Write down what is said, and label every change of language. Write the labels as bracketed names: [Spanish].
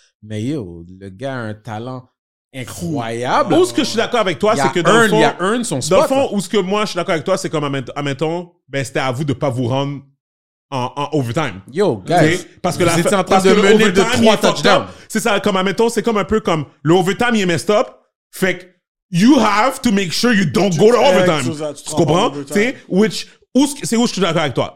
[French] Mais yo, le gars a un talent incroyable. Où est-ce que je suis d'accord avec toi, c'est que dans le fond, il a earned son spot. Dans le fond, où est-ce que moi, je suis d'accord avec toi, c'est comme, admettons, ben, c'était à vous de pas vous rendre en overtime. [English] Yo, guys. Okay? [French] Parce que vous étiez en train de mener de 3 touchdowns. C'est ça, comme, admettons, c'est comme un peu comme, le overtime, il est [English] messed up. [French] Fait que, [English] you have to make sure you don't go to overtime. [French] Tu comprends? Tu sais, c'est où je suis d'accord avec toi.